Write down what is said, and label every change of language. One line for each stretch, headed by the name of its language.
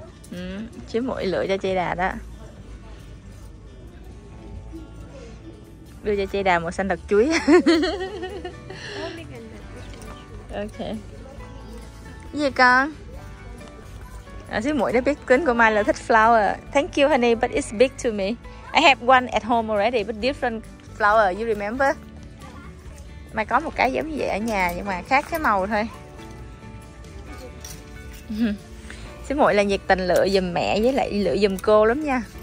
Vietnamese: Ừ, chiếm mũi lựa cho Chị Đà đó. Đưa cho Chị Đà một xanh đật chuối. Ok. Gì con? À, chiếm mũi đó biết kính của Mai là thích flower.
English: Thank you honey, but it's big to me. I have one at home already, but different flower, you remember?
Vietnamese: Mai có một cái giống như vậy ở nhà, nhưng mà khác cái màu thôi. Xíu mội là nhiệt tình lựa giùm mẹ với lại lựa giùm cô lắm nha.